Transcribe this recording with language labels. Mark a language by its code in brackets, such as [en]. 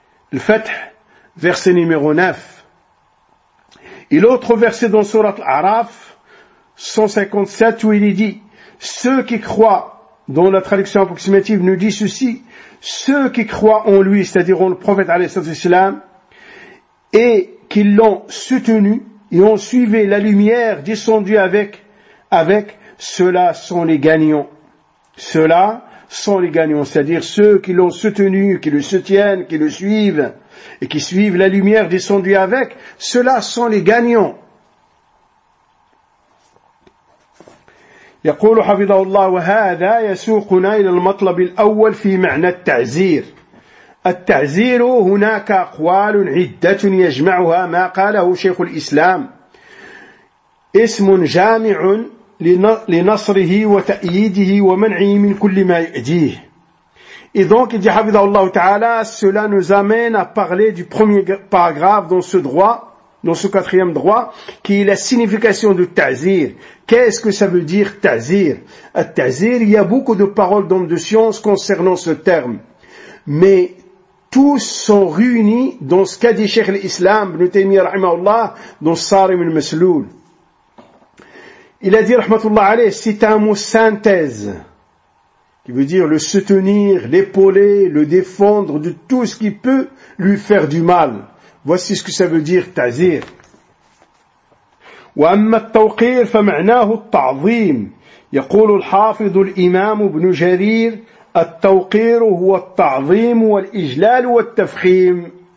[fr] Le fait, verset numéro 9. Et l'autre verset dans Surat Al-A'raf, 157, où il est dit: ceux qui croient, dont la traduction approximative nous dit ceci: ceux qui croient en lui, c'est-à-dire en le prophète al-Islam, et qui l'ont soutenu et ont suivi la lumière descendue avec, ceux-là sont les gagnants. Ceux-là sont les gagnants, c'est-à-dire ceux qui l'ont soutenu, qui le soutiennent, qui le suivent, et qui suivent la lumière descendue avec, ceux-là sont les gagnants. [ar] يقول حفظه الله: وهذا يسوقنا إلى المطلب الأول في معنى التعزير. التعزير هناك أقوال عدة يجمعها ما قاله شيخ الإسلام: اسم جامع لنصره وتأييده ومنعه من كل ما يؤذيه. إذن كي حفظه الله تعالى، [fr] cela nous amène à parler du premier paragraphe dans ce droit, dans ce quatrième droit, qui est la signification de ta'zir. Qu'est-ce que ça veut dire ta'zir? Ta'zir, il y a beaucoup de paroles d'hommes de science concernant ce terme. Mais tous sont réunis dans ce qu'a dit Cheikh l'Islam, Ibn Taymiyyah rahimahullah, dans Sarim al-Masloul. Il a dit, rahmatullah alayh, c'est un mot synthèse, qui veut dire le soutenir, l'épauler, le défendre de tout ce qui peut lui faire du mal. Voici ce que ça veut dire ta'zir. [ar] واما التوقير فمعناه التعظيم. يقول الحافظ الامام ابن جرير: التوقير هو التعظيم والاجلال والتفخيم.